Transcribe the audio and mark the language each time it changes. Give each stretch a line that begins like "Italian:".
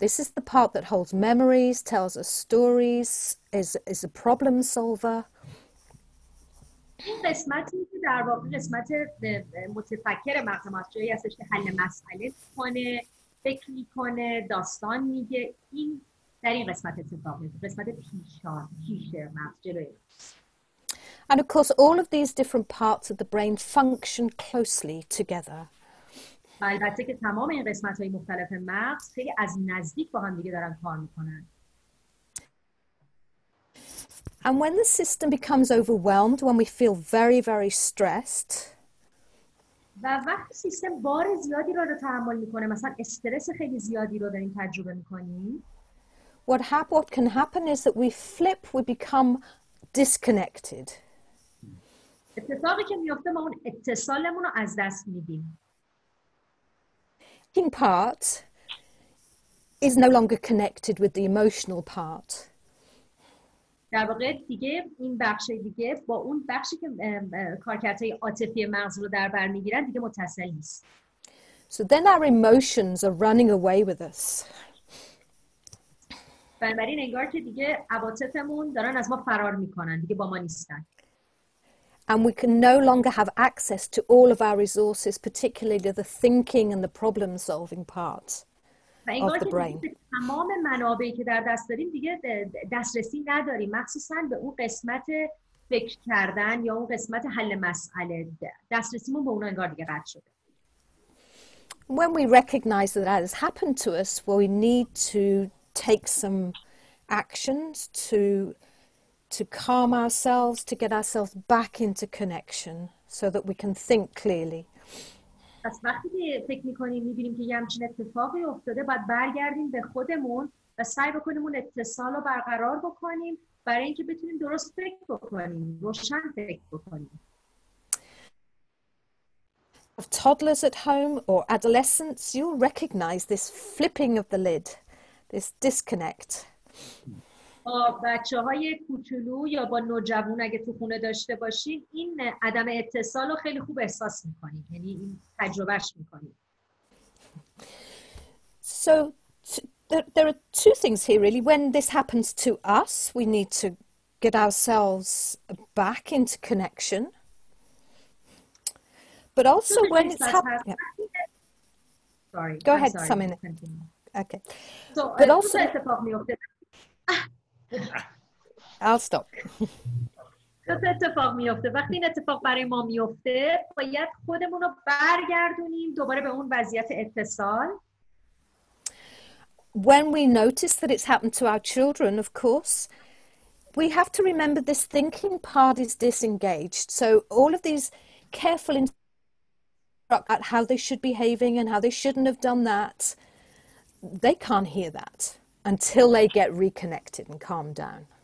English: This is the part that holds memories, tells us stories, is a problem solver.
Persian: این قسمتی که در واقع قسمت متفکر مغز ما جایی هستش که حل مسئله کنه، فکر میکنه، داستان میگه، این در این قسمت اتفاق میفته، قسمت پیشه مغز جلوی.
English: And of course all of these different parts of the brain function closely together.
Persian: البته که تمام این قسمت های مختلف مغز خیلی از نزدیک با هم دیگه دارن کار میکنن.
English: And when the system becomes overwhelmed, when we feel very, very stressed,
Persian: و وقتی سیستم بار زیادی را تحمل میکنه مثلا استرس خیلی زیادی رو داریم تجربه میکنیم
English: what can happen is that we flip, we become disconnected.
Persian: اتفاقی که میفته ما اون اتصالمون رو از دست میدیم.
English: Thinking part is no longer connected with the emotional part.
Persian: در واقع دیگه این بخش دیگه با اون بخشی که کارکردهای عاطفی مغز رو در بر میگیرن دیگه متصل نیست.
English: So then our emotions are running away with us.
Persian: بنابراین انگار که دیگه عواطفمون دارن از ما فرار میکنن، دیگه با ما نیستن.
English: And we can no longer have access to all of our resources, particularly the thinking and the problem solving part.
Persian: انگار که دیگه تمام منابعی که در دست داریم دیگه دسترسی نداریم، مخصوصا به اون قسمت فکر کردن یا اون قسمت حل مسئله دسترسیمون به اون انگار دیگه قطع شده.
English: When we recognize that has happened to us, well, we need to take some actions to calm ourselves, to get ourselves back into connection so that we can think clearly.
Persian: پس وقتی فکر میکنیم میبینیم که یه همچین اتفاقی افتاده باید برگردیم به خودمون و سعی بکنیم اون اتصال رو برقرار بکنیم برای اینکه بتونیم درست فکر بکنیم، روشن فکر بکنیم.
English: Of toddlers at home or adolescents, you'll recognize this flipping of the lid, this disconnect.
Persian: با بچه های کوچولو یا با نوجوان اگه تو خونه داشته باشین این عدم اتصال رو خیلی خوب احساس میکنین، یعنی این تجربهش میکنین.
English: So there are two things here really. When this happens to us, we need to get ourselves back into connection. But also when it's happening. Sorry. Go I'm ahead, Samin. Okay. So, but also. I'll stop.
Persian: اتفاق میفته. وقتی این اتفاق برای ما میفته، باید خودمون رو برگردونیم دوباره به اون وضعیت اتصال.
English: When we notice that it's happened to our children, of course, we have to remember this thinking part is disengaged. So all of these careful instructions about how they should be behaving and how they shouldn't have done that, they can't hear that until they get reconnected and calm down.